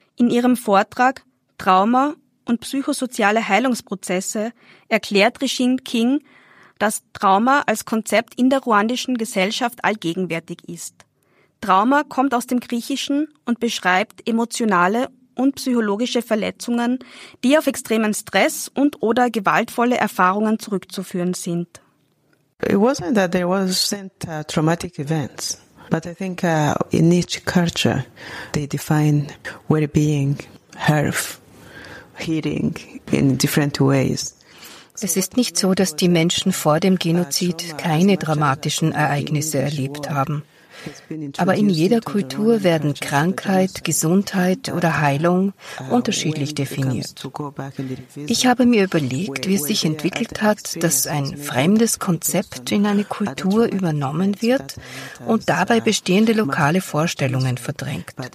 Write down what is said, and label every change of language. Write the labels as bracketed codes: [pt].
[de] In ihrem Vortrag Trauma und psychosoziale Heilungsprozesse erklärt Regine King, dass Trauma als Konzept in der ruandischen Gesellschaft allgegenwärtig ist. Trauma kommt aus dem Griechischen und beschreibt emotionale und psychologische Verletzungen, die auf extremen Stress und oder gewaltvolle Erfahrungen zurückzuführen sind. [en] It wasn't that there wasn't traumatic events, but I think in each culture they define well-being, health, healing in different ways. [de] Es ist nicht so, dass die Menschen vor dem Genozid keine dramatischen Ereignisse erlebt haben. Aber in jeder Kultur werden Krankheit, Gesundheit oder Heilung unterschiedlich definiert. Ich habe mir überlegt, wie es sich entwickelt hat, dass ein fremdes Konzept in eine Kultur übernommen wird und dabei bestehende lokale Vorstellungen verdrängt.